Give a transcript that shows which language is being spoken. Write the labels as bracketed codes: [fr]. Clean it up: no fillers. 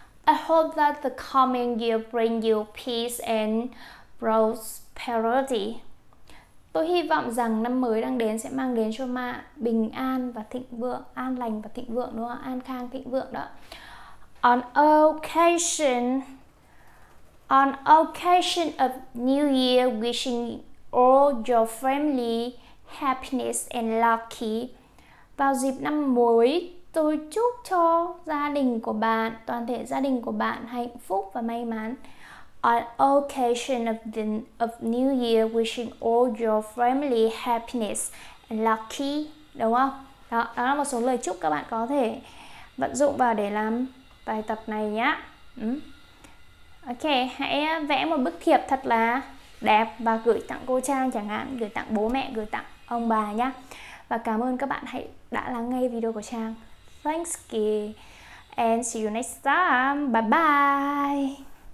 [en] I hope that the coming year bring you peace and prosperity. [vi] Tôi hy vọng rằng năm mới đang đến sẽ mang đến cho bạn bình an và thịnh vượng, an lành và thịnh vượng, đúng không? An khang thịnh vượng đó. [en] On occasion of New Year, wishing all your family happiness and lucky. [vi] Vào dịp năm mới, tôi chúc cho gia đình của bạn, toàn thể gia đình của bạn hạnh phúc và may mắn. [en] On occasion of New Year, wishing all your family happiness and lucky, [vi] đúng không? Đó, đó là một số lời chúc các bạn có thể vận dụng vào để làm bài tập này nhé. Ok, hãy vẽ một bức thiệp thật là đẹp và gửi tặng cô Trang chẳng hạn, gửi tặng bố mẹ, gửi tặng ông bà nhé. Và cảm ơn các bạn hãy đã lắng nghe video của Trang. [en] Thanks, kì. And see you next time. Bye bye.